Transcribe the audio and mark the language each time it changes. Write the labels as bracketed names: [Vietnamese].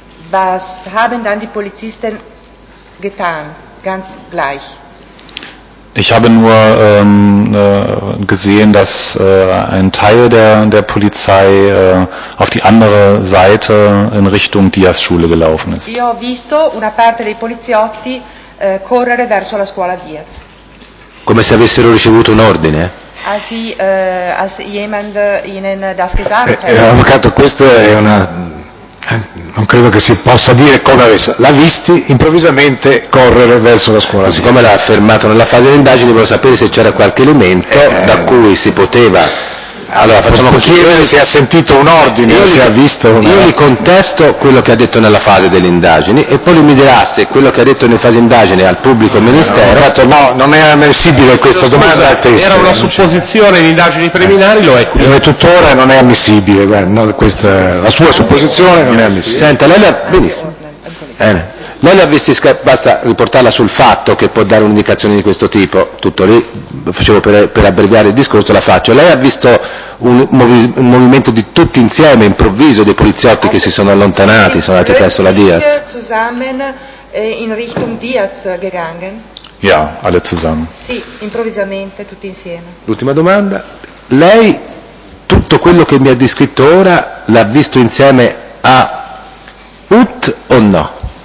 [German] Was haben dann die Polizisten getan? Ganz gleich. Ich habe nur gesehen, dass ein Teil der Polizei auf die andere Seite in Richtung Diaz-Schule gelaufen ist. [Italian] Io ho visto una parte dei poliziotti correre verso la scuola Diaz. Come se avessero ricevuto un ordine. [German] Als jemand ihnen das gesagt hat. [Italian] Avvocato, questo è una non credo che si possa dire come avesse. L'ha visti improvvisamente correre verso la scuola. Siccome l'ha affermato nella fase di indagini, volevo sapere se c'era qualche elemento da cui si poteva. Allora, facciamo così. Chiedere se ha sentito un ordine, se ha visto un. Io gli contesto quello che ha detto nella fase delle indagini e poi lui mi dirà se quello che ha detto nella fase di indagini al pubblico ministero. No, non è ammissibile questa domanda a testa. Era una supposizione in indagini preliminari, lo è qui. E tuttora non è ammissibile, guarda, questa, la sua supposizione non è ammissibile. Senta, lei l'ha. Benissimo. Lei l'ha visti, basta riportarla sul fatto che può dare un'indicazione di questo tipo, tutto lì, facevo per abbreviare il discorso, la faccio. Lei ha visto un movimento di tutti insieme, improvviso, dei poliziotti che si sono allontanati, sono andati verso la Diaz? [German] Zusammen in Richtung Diaz gegangen. Ja, alle zusammen. [Italian] Sì, improvvisamente, tutti insieme. L'ultima domanda. Lei, tutto quello che mi ha descritto ora, l'ha visto insieme a Ut o no?